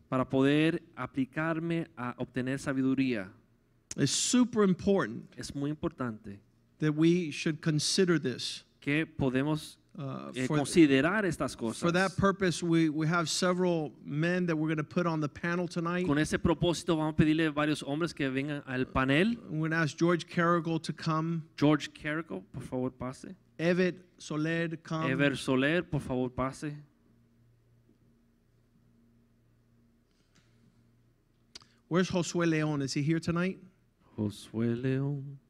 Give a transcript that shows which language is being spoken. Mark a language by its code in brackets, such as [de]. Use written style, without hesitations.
[es] Para poder aplicarme a obtener sabiduría. [en] It's super important. [es] Es muy importante. [en] That we should consider this. [es] Que podemos considerar estas cosas. [en] For that purpose, we have several men that we're going to put on the panel tonight. [es] Con ese propósito, vamos a pedirle a varios hombres que vengan al panel. [en] We're going to ask George Carrigal to come. [es] George Carrigal, por favor, pase. [en] Evett Soler, come. [es] Evett Soler, por favor, pase. [en] Where's Josué León? Is he here tonight? [es] Josué León.